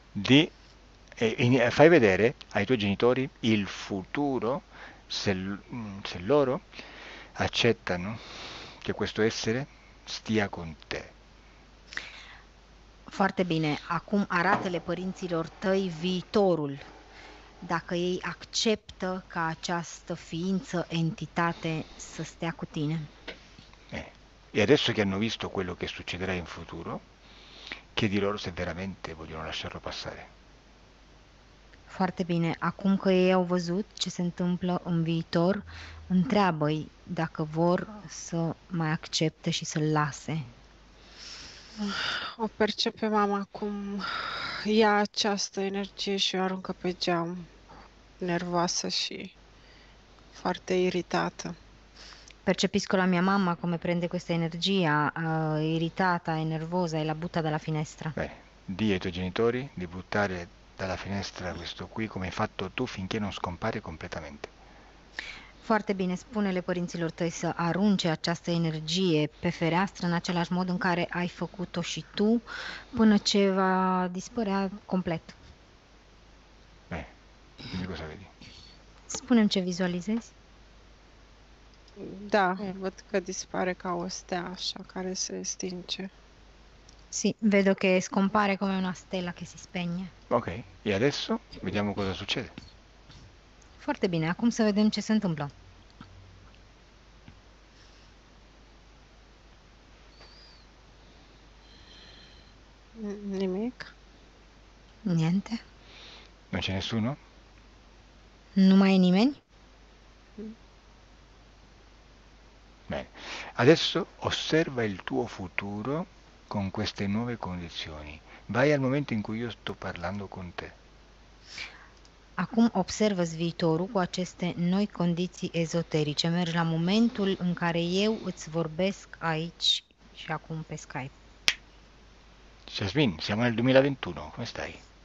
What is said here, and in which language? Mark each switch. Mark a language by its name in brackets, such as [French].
[Italian] Bene, fai vedere ai tuoi genitori il futuro se loro accettano che questo essere stia con te. [Romanian] Foarte bine, acum arată-le părinților tăi viitorul. Dacă ei acceptă ca această ființă, entitate, să stea cu tine. [Italian] E adesso che hanno visto quello che succederà in futuro, chiedi loro se veramente vogliono lasciarlo passare. [Romanian] Foarte bine, acum că ei au văzut ce se întâmplă în viitor, întreabă-i dacă vor să mai accepte și să-l lase. O percepe mama cum ia această energie și o aruncă pe geam, nervoasă și foarte iritată. [Italian] Percepisco la mia mamma come prende questa energia, irritata e nervosa, e la butta dalla finestra. Dì ai tuoi genitori di buttare dalla finestra questo qui come hai fatto tu finché non scompare completamente. [Romanian] Foarte bine, spune-le părinților tăi să arunce această energie pe fereastră în același mod în care ai făcut-o și tu, până ce va dispărea complet. [Italian] Dimmi cosa vedi. [Romanian] Spune-mi ce vizualizezi. Da, văd că dispare ca o stea așa care se stinge. [Italian] Sì, vedo che scompare come una stella che si spegne. Ok, e adesso vediamo cosa succede. [Romanian] Forte bene, acum să vedem ce se întâmplă. Nimic. [Italian] Niente. Non c'è nessuno? [Romanian] Non mai nimeni. [Italian] Bene, adesso osserva il tuo futuro con queste nuove condizioni. Vai al momento in cui io sto parlando con te. [Romanian] Acum observă-ți viitorul cu aceste noi condiții ezoterice. Mergi la momentul în care eu îți vorbesc aici și acum pe Skype. [Italian] Jasmine, siamo nel 2021, come stai?